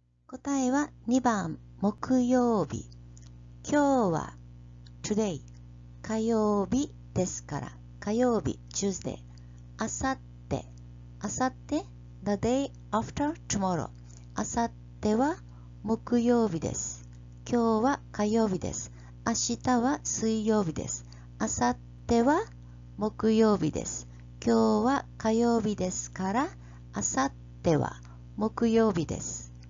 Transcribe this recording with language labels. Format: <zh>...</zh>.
<ja>答えは2番、木曜日。今日は today 火曜日ですから、火曜日、Tuesday。</ja> <en>あさって、the day after tomorrow。</en> <ja>あさっては木曜日です。今日は火曜日です。明日は水曜日です。あさっては木曜日です。今日は火曜日ですから、あさっては木曜日です。</ja>